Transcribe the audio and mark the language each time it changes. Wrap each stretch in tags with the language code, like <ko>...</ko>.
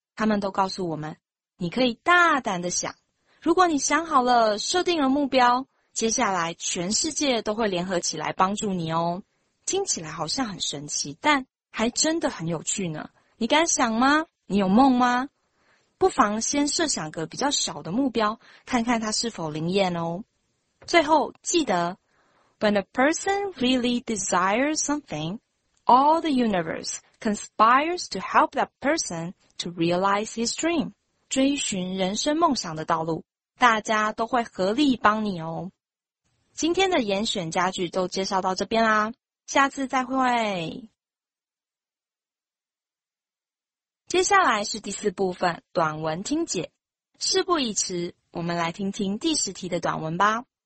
<zh>他们都告诉我们，你可以大胆的想，如果你想好了，设定了目标，接下来全世界都会联合起来帮助你哦。听起来好像很神奇，但还真的很有趣呢。你敢想吗？你有梦吗？不妨先设想个比较小的目标，看看它是否灵验哦。最后，记得</zh> <en>When a person really desires something, all the universe conspires to help that person to realize his dream.</en> <zh>追寻人生梦想的道路，大家都会合力帮你哦。今天的严选家具都介绍到这边啦，下次再会。接下来是第四部分短文听解，事不宜迟，我们来听听第十题的短文吧。</zh>